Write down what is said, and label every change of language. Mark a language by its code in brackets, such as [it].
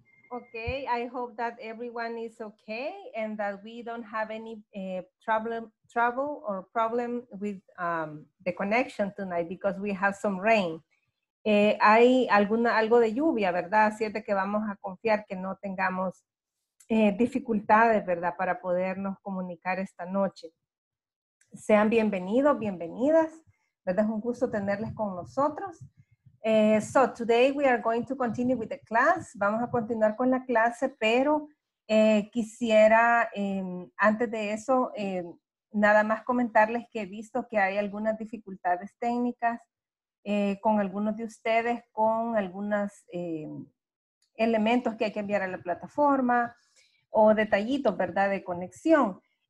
[en] Okay, I hope that everyone is okay and that we don't have any trouble or problem with the connection tonight because we have some rain. [es] Hay algo de lluvia, ¿verdad? Así es de que vamos a confiar que no tengamos dificultades, ¿verdad? Para podernos comunicar esta noche. Sean bienvenidos, bienvenidas. ¿Verdad? Es un gusto tenerles con nosotros. [en] So today we are going to continue with the class. [es] Vamos a continuar con la clase, pero quisiera antes de eso nada más comentarles que he visto que hay algunas dificultades técnicas con algunos de ustedes, con algunos elementos que hay que enviar a la plataforma o detallitos, ¿verdad? De conexión.